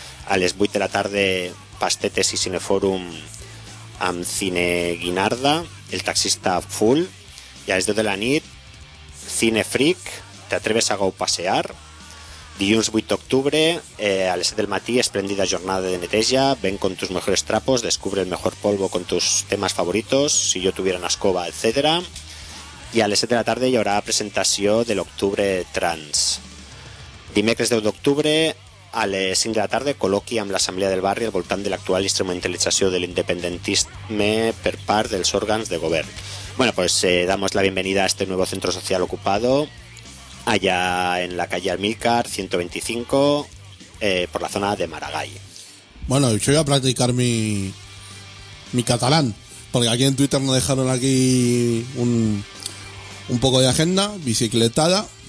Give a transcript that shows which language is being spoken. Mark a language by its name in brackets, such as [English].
[Catalan] A les 8 de la tarda, pastetes i cinefòrum amb Cine Guinarda, el taxista full. I a les 10 de la nit, Cine Freak, t'atreves a go passear. Dilluns 8 d'octubre, a les 7 del matí, esplèndida jornada de neteja. [Spanish] Ven con tus mejores trapos, descubre el mejor polvo con tus temas favoritos, si yo tuviera una escoba, etc. [Catalan] I a les 7 de la tarda hi haurà presentació de l'octubre trans. Dimecres 10 d'octubre, a les 5 de la tarda, col·loqui amb l'Assemblea del Barri al voltant de l'actual instrumentalització de l'independentisme per part dels òrgans de govern. [Spanish] Bueno, pues damos la bienvenida a este nuevo centro social ocupado allá en la calle Amílcar 125, por la zona de Maragall. Bueno, yo voy a practicar mi catalán, porque aquí en Twitter nos dejaron aquí un poco de agenda, bicicletada.